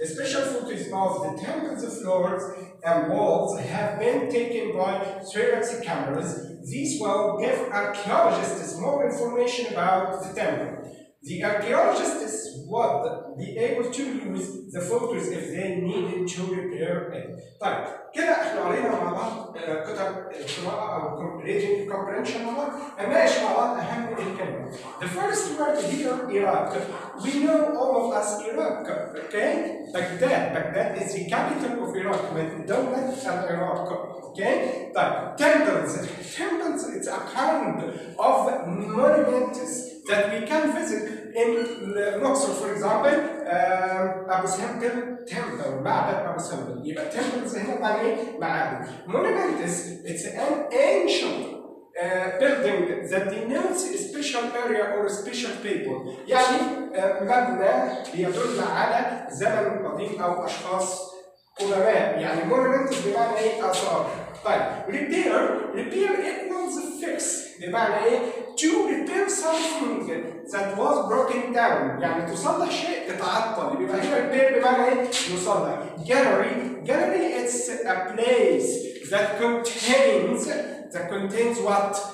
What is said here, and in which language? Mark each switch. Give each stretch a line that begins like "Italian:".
English: A special photo of the temple's floors and walls have been taken by Xerxes cameras. These will give archaeologists more information about the temple. The archaeologists would be able to use the photos if they needed to repair it.
Arabic: طيب كده احنا قرينا مع بعض كتب القراءه او reading comprehension مع بعض ماشي مع بعض اهم الكلمات.
English: The first word here, Iraq. We know all of us Iraq, okay? Baghdad. Baghdad is the capital of Iraq, but don't let it have Iraq. Okay? طيب temples. Temples is a kind of monuments that we can visit in Luxor, for example, Abu Simbel Temple, معبد أبو سمبل.
Arabic: يبقى
English: temples
Arabic: هنا معناه معابد.
English: Monuments, it's an ancient building that denotes a special area or a special people.
Arabic: يعني مبنى يدل على زمن قديم أو أشخاص قدماء. يعني monument بمعنى إيه؟ آثار.
English: طيب repair, repair equals fix
Arabic: بمعنى إيه؟
English: to repair something that was broken down.
Arabic: يعني تصلح شيء اتعطل. يبقى هنا repair بمعنى إيه؟ يصلح.
English: gallery, gallery it's a place that contains that contains what?